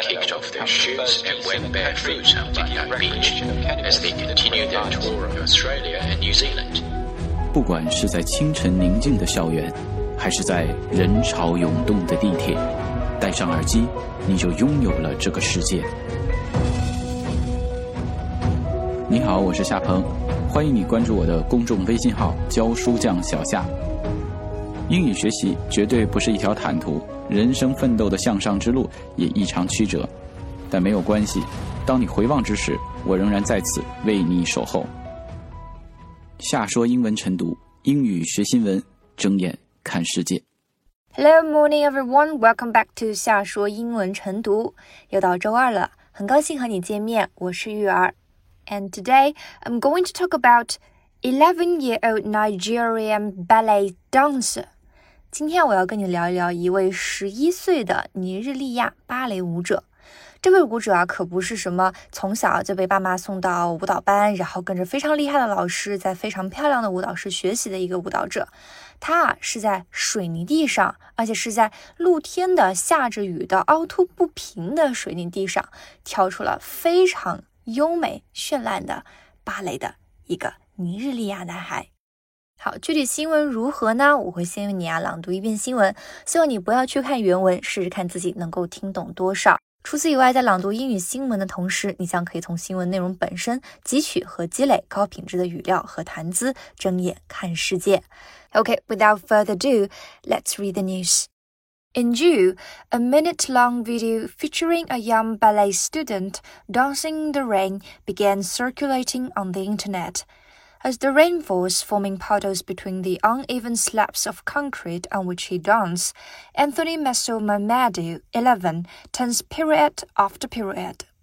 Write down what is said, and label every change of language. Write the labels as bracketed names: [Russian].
[English] kicked off their shoes and went barefoot on Bondi Beach as they continued their tour of Australia and New Zealand. [Chinese] 不管是在清晨宁静的校园，还是在人潮涌动的地铁，戴上耳机，你就拥有了这个世界。你好，我是夏鹏，欢迎你关注我的公众微信号“教书匠小夏”。英语学习绝对不是一条坦途，人生奋斗的向上之路也异常曲折，但没有关系，当你回望之时，我仍然在此为你守候。夏说英文晨读，英语学新闻，睁眼看世界。 [English] Hello, morning, everyone. Welcome back to [Chinese] 夏说英文晨读。又到周二了，很高兴和你见面，我是玉儿。 [English] And today, I'm going to talk about 11-year-old Nigerian ballet dancer. [Chinese] 今天我要跟你聊一聊一位11岁的尼日利亚芭蕾舞者。这位舞者啊，可不是什么从小就被爸妈送到舞蹈班，然后跟着非常厉害的老师，在非常漂亮的舞蹈室学习的一个舞蹈者。他啊，是在水泥地上，而且是在露天的下着雨的凹凸不平的水泥地上，跳出了非常优美绚烂的芭蕾的一个尼日利亚男孩。好，具体新闻如何呢？我会先为你啊朗读一遍新闻，希望你不要去看原文，试试看自己能够听懂多少。除此以外，在朗读英语新闻的同时，你将可以从新闻内容本身汲取和积累高品质的语料和谈资，睁眼看世界。 [English] Okay, without further ado, let's read the news. In June, a minute-long video featuring a young ballet student dancing in the rain began circulating on the internet. As the rain falls, forming puddles between the uneven slabs of concrete on which he danced, Anthony Meso Mamadou, 11, turns pirouette after pirouette.